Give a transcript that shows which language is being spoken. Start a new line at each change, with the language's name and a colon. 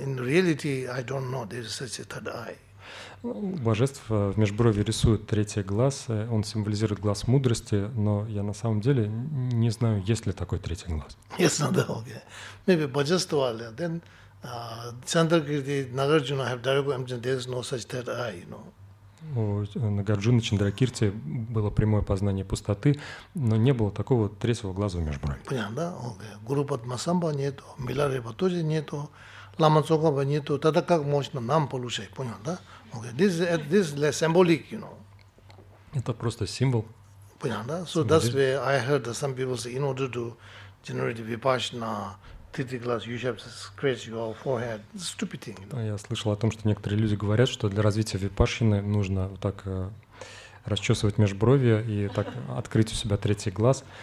English: In reality, I don't know there is such a third eye.
Russian: Божеств в межброви рисует третий глаз, он символизирует глаз мудрости, но я на самом деле не знаю, есть ли такой третий глаз. Ясно, да, окей.
English: Maybe божество, then Chandrakirti, Nagarjuna have direct emptiness, there is no such third eye, you know.
Russian: У Нагарджуны Чандракирти было прямое познание пустоты, но не было такого третьего глаза в межброви. Понятно, да, окей. Гуру Падмасамба нету, Миларипа тоже нету, Лама Цокапа нету, тогда как можно нам получать, понял, да?
English: Okay, this is less symbolic, you know.
Russian: Это просто символ. Понял, да?
English: So that's where I heard that some people say, in order to generate vipassana, third glass, you have to scratch your forehead. Stupid thing. You know?
Russian: Я слышал о том, что некоторые люди говорят, что для развития випассаны нужно вот так расчесывать межброви и так открыть у себя третий глаз.